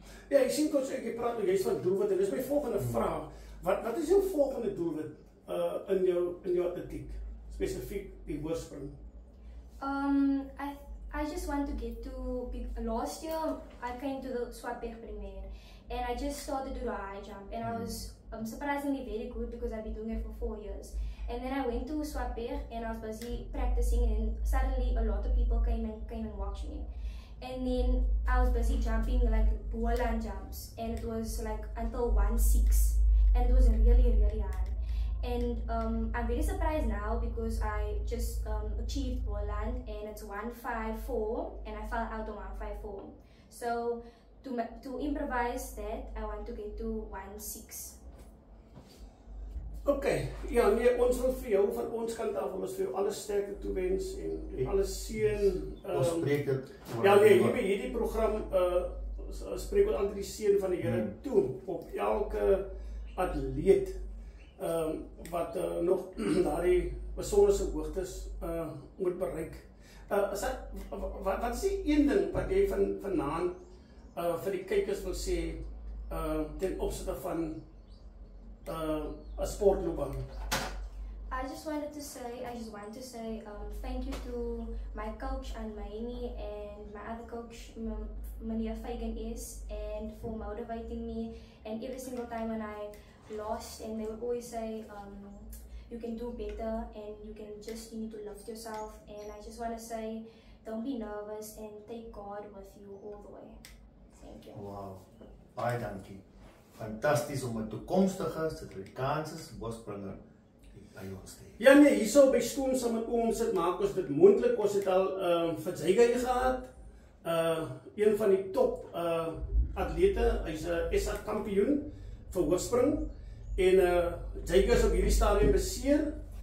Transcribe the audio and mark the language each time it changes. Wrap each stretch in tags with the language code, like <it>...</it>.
<af>Ja, ek sien kort, ek praat nou juist van doelwitte, dit is my volgende vraag. Wat is jou volgende doelwit in jou atletiek, specifiek die hoorsprong?</af> <en>I just want to get to, last year I came to the Swartberg Premier and I just started to do a high jump, and I was surprisingly very good because I've been doing it for 4 years. And then I went to Swartberg and I was busy practicing, and suddenly a lot of people came and watched me. And then I was busy jumping like Boland jumps, and it was like until 1.6, and it was really, really hard. And I'm very surprised now because I just achieved Boland and it's 1.54 and I fell out on 1.54. So to improvise that, I want to get to 1.6.</en> <af>Okay, ja, nee, ons wil vir jou, van ons kant af, ons vir jou alle sterkte toewens en alle seën. Ons spreek dit. Ja, nee, hierdie program spreek ons aan die seën van die Here toe op elke atleet wat nog daardie besondere hoogtes moet bereik. Wat is die een ding wat jy vanaand vir die kykers wil sê ten opsigte van 'n sportloopbaan?</af> <en>I just want to say thank you to my coach and Maini and my other coach Mania Fagan is and for motivating me and every single time when I lost and they would always say you can do better and you need to love yourself and I just want to say don't be nervous and take God with you all the way. Thank you.</en> <af>Wow, baie dankie. Fantasties om 'n toekomstige Suid-Afrikaanse borsbringer. Ja nee, hier so by SKUINS saam met ons sit maak ons dit moontlik. Ons het al vir Zygay gehad. Een van die top atlete, hy's 'n SA kampioen vir hoogspring en Zygay is op hierdie stadium beseer.</af>